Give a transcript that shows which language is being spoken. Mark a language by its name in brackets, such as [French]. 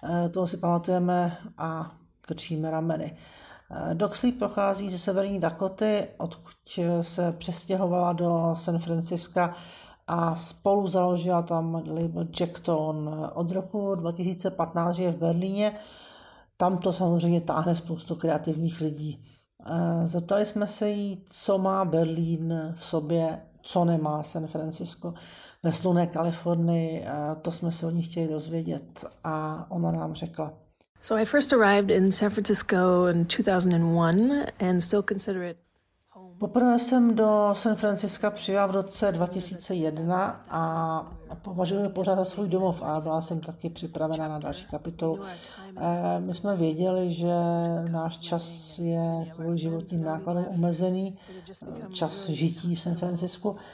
[Czech] Toho si pamatujeme a krčíme rameny. Doc Sleep prochází ze severní Dakoty, odkud se přestěhovala do San Francisca a spolu založila tam label Jacktone. Od roku 2015 je v Berlíně, Tam to samozřejmě táhne spoustu kreativních lidí. Zeptali jsme se jí, co má Berlín v sobě, co nemá San Francisco ve slunné Kalifornii. To jsme se o ní chtěli dozvědět a ona nám řekla. [English] So I first arrived in San Francisco in 2001 and still consider it home. [Czech] Poprvé jsem do San Francisca přijela v roce 2001 a považuji ho pořád za svůj domov a byla jsem taky připravena na další kapitolu. My jsme věděli, že náš čas je kvůli životním nákladům omezený, čas žití v San Francisco.